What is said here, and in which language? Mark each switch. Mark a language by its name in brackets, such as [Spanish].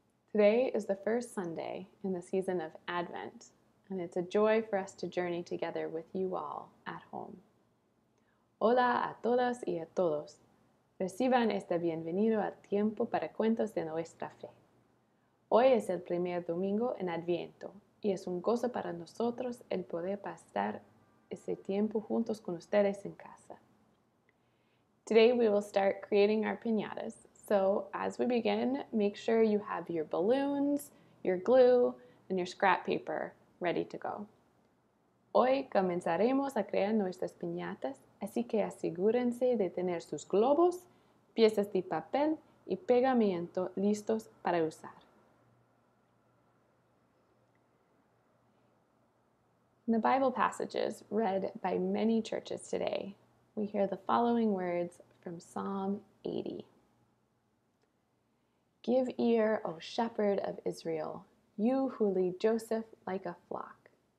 [English] Today is the first Sunday in the season of Advent, and it's a joy for us to journey together with you all at home. [Spanish] Hola a todas y a todos. Reciban este bienvenido al tiempo para cuentos de nuestra fe. Hoy es el primer domingo en Adviento, y es un gozo para nosotros el poder pasar ese tiempo juntos con ustedes en casa. [English] Today we will start creating our piñatas. So as we begin, make sure you have your balloons, your glue, and your scrap paper ready to go. [Spanish] Hoy comenzaremos a crear nuestras piñatas, así que asegúrense de tener sus globos, piezas de papel y pegamento listos para usar. [English] In the Bible passages read by many churches today, we hear the following words from Psalm 80. Give ear, O shepherd of Israel, you who lead Joseph like a flock.